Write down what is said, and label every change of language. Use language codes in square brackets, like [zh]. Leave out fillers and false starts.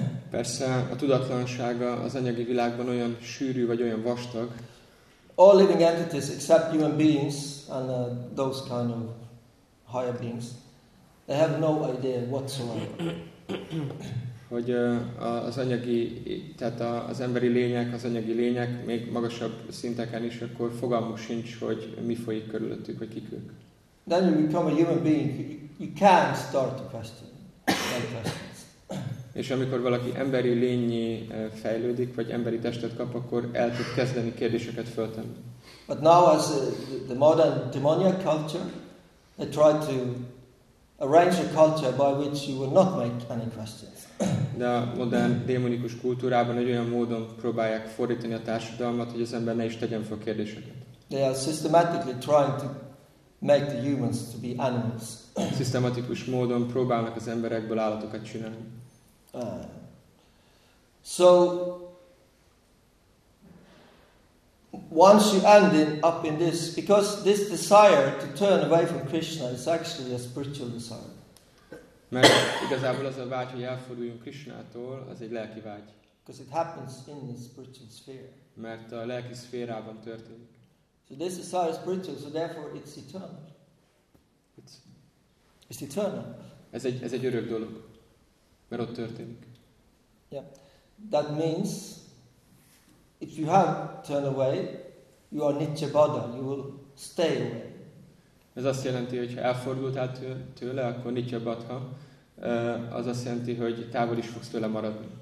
[hu] Persze, a tudatlansága az anyagi világban olyan sűrű vagy olyan vastag. [en] All living entities except human beings and those kind of higher beings, they have no idea whatsoever. [hu] Hogy az anyagi, tehát az emberi lények, az anyagi lények, még magasabb szinteken is, akkor fogalmuk sincs, hogy mi folyik körülöttük, vagy kik ők. [en] Then you become a human being, you can't start to question any questions. [hu] És amikor valaki emberi lényi fejlődik, vagy emberi testet kap, akkor el tud kezdeni kérdéseket föltenni. [en] But now as the modern demoniac culture, they try to arrange a culture by which you will not make any questions. [hu] De a modern démonikus kultúrában egy olyan módon próbálják fordítani a társadalmat, hogy az ember ne is tegyen fel kérdéseket. [en] They are systematically trying to make the humans to be animals. [hu] Szisztematikus módon próbálnak az emberekből állatokat csinálni. [en] So once you end up in this, because this desire to turn away from Krishna is actually a spiritual desire. [hu] Mert igazából az a vágy, hogy elforduljunk Krishnától, az egy lelki vágy. [en] Because it happens in the spiritual sphere. [hu] Mert a lelki szférában történik. [en] So this desire is spiritual, so therefore it's eternal. It's eternal. [hu] Ez egy örök dolog, mert ott történik. [en] Yeah, that means if you have turned away, you are nitya bada, you will stay away. [hu] Ez azt jelenti, hogy ha elfordultál tőle, akkor nitya bhatha, az azt jelenti, hogy távol is fogsz tőle maradni.